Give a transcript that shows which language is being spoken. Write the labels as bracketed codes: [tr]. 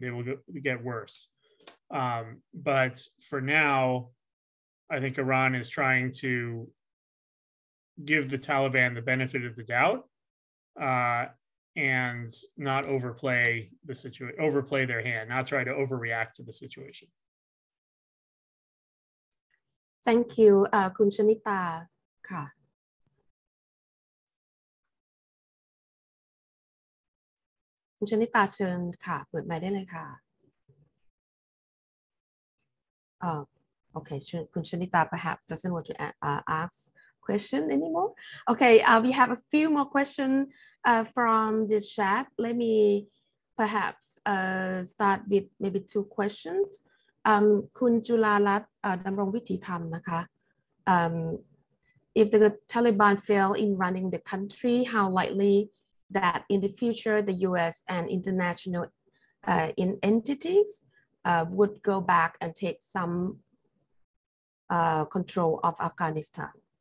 [en] They will get worse. But for now, I think Iran is trying to give the Taliban the benefit of the doubt and not overplay the overplay their hand, not try to overreact to the situation. Thank you, [th] คุณชนิตาค่ะคุณชนิตาเชิญค่ะเปิดไมค์ได้เลยค่ะโอเคคุณชนิตา [en] perhaps doesn't want to askquestion anymore. Okay, we have a few more questions from this chat. Let me perhaps start with maybe 2 questions. คุณจุฬารัตน์ดำรงวิถีธรรมนะคะ If the Taliban fail in running the country, how likely that in the future the US and international entities would go back and take some control of Afghanistan?